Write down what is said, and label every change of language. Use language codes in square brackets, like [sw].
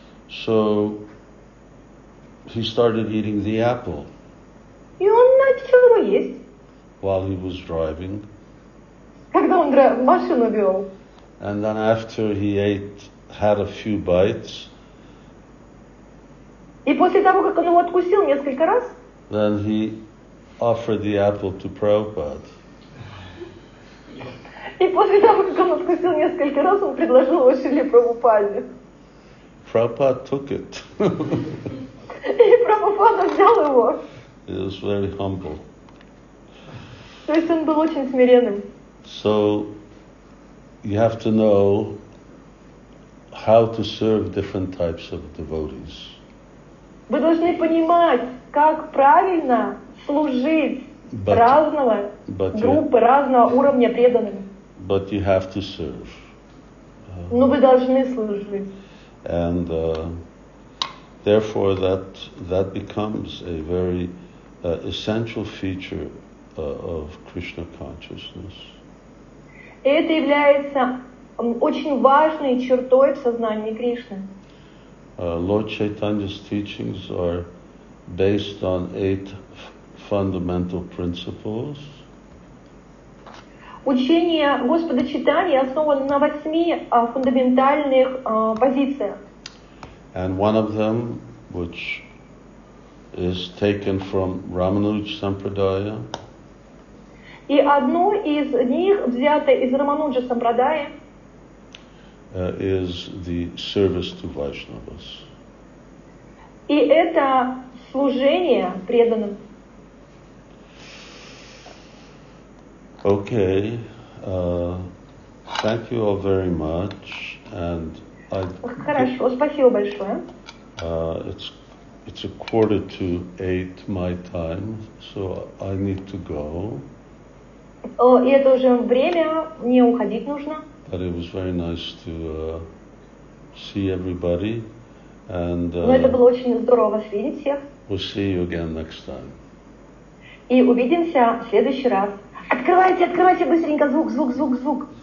[en] So he started eating the apple. [ru] И он начал его есть. [en] While he was driving. [ru] Когда он машину вел. [en] And then after he ate, had a few bites. [ru] И после того, как он его откусил несколько раз, [en] then he offered the apple to Prabhupada. [ru] И после того, как он откусил несколько раз, он предложил его Шриле Прабхупаде. [en] Prabhupada took it. [ru] И Прабхупада взял его. [en] He was very humble. [ru] То есть он был очень смиренным. [en] So you have to know how to serve different types of devotees. [ru] Вы должны понимать, как правильно служить группы разного уровня преданных. [en] But you have to serve. [ru] Но вы должны служить. [en] And therefore that becomes a very essential feature of Krishna consciousness. [ru] Это является очень важной чертой в сознании Кришны. [en] Lord Chaitanya's teachings are based on 8 fundamental principles. [ru] Учение Господа Чайтаньи основано на 8 фундаментальных позициях. [en] And one of them, which is taken from Ramanuja Sampradaya. [ru] И одно из них взято из Рамануджа Сампрадая. [en] Is the service to Vaishnavas. [ru] И это служение преданным. [en] Okay, thank you all very much, and I. [ru] Хорошо, спасибо большое. [en] It's 7:45 my time, so I need to go. [ru] О, и это уже время, мне уходить нужно. [en] But it was very nice to see everybody, and. [ru] Но это было очень здорово вас видеть всех. [en] We'll see you again next time. [ru] И увидимся в следующий раз. Открывайте, открывайте быстренько звук, звук, звук, звук.